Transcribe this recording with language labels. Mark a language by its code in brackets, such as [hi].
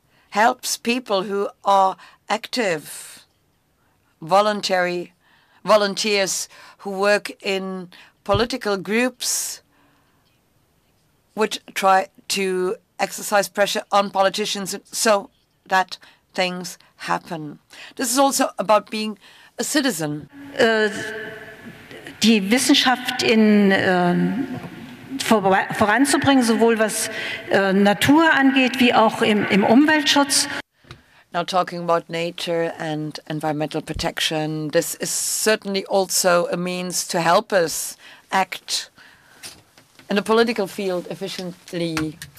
[en] helps people who are active, volunteers who work in political groups, which try to exercise pressure on politicians so that things happen. This is also about being a citizen. [de] Die Wissenschaft in voranzubringen, sowohl was Natur angeht, wie auch im Umweltschutz. [en] Now talking about nature and environmental protection, this is certainly also a means to help us act in the political field efficiently.